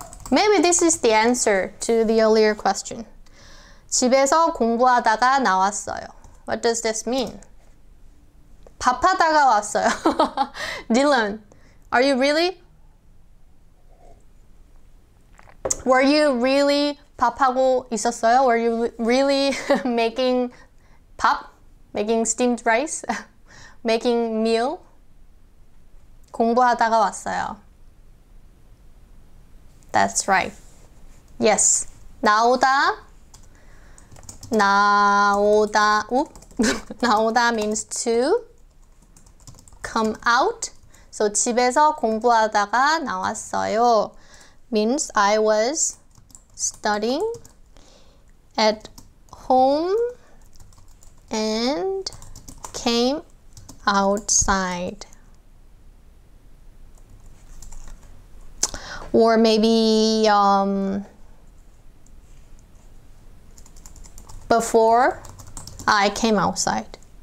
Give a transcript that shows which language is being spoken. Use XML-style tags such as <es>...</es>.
<en>Maybe this is the answer to the earlier question.</en> <ko>집에서 공부하다가 나왔어요.</ko> <en>What does this mean?</en> <ko>밥하다가 왔어요.</ko> <en>Dylan, are you really? Were you really 밥하고 있었어요? Were you really making 밥? Making steamed rice? Making meal?</en> <ko>공부하다가 왔어요.</ko> <en>That's right. Yes. 나오다. 나오다. Oop. 나오다 means to come out.</en> <ko>So 집에서 공부하다가 나왔어요.</ko> <en>Means I was studying at home and came outside. Or maybe before I came outside.</en>